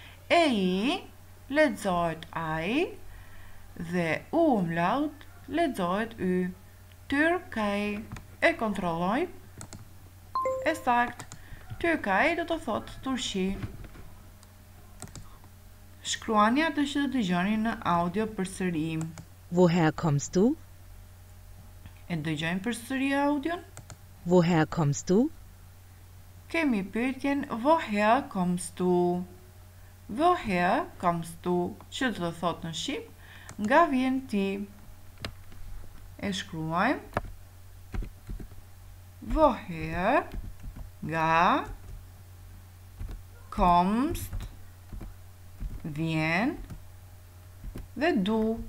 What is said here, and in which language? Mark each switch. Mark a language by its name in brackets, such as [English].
[Albanian] E, I, lexohet I, dhe U umlaut, lexohet Y. Türkei. E kontrolloj. E sakt. Türkei do të thot Turqi. Shkruani atë që do të dëgjoni në audio përsëri. [German] Woher kommst du? [Albanian] E dëgjojmë përsëri audion. [German] Woher kommst du? [Albanian] Kemi pyetjen [German] Woher kommst du? Woher kommst du? [Albanian] Që do të thot në shqip, nga vjen ti? E shkruajmë. [German] Woher? [Albanian] Nga? [German] Kommst? [Albanian] Vjen? Dhe [German] du?